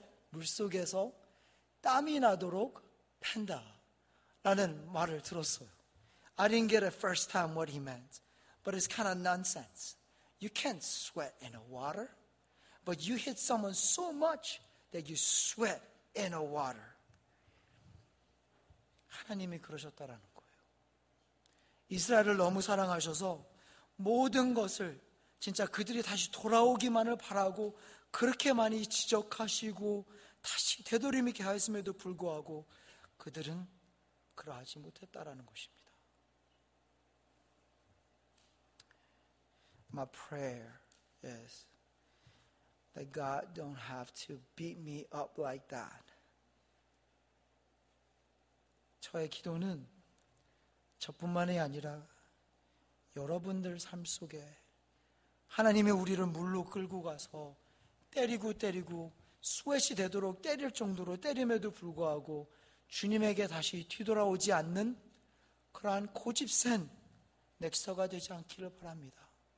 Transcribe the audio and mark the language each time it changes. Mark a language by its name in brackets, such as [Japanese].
[Korean] 물 속에서 땀이 나도록 판다. 라는 말을 들었어요. [English] I didn't get it first time what he meant, but it's kind of nonsense. You can't sweat in a water, but you hit someone so much that you sweat in a water. [Korean] 하나님이 그러셨다라는 거예요. 이스라엘을 너무 사랑하셔서 모든 것을 진짜 그들이 다시 돌아오기만을 바라고 그렇게 많이 지적하시고 다시 되돌림이게 하였음에도 불구하고 그들은 그러하지 못했다라는 것입니다. [English] My prayer is that God don't have to beat me up like that. [Korean] 저의 기도는 저뿐만이 아니라 여러분들 삶 속에 하나님이 우리를 물로 끌고 가서 때리고 스웻이 되도록 때릴 정도로 때림에도 불구하고 주님에게 다시 뒤돌아오지 않는 그러한 고집센 넥서가 되지 않기를 바랍니다.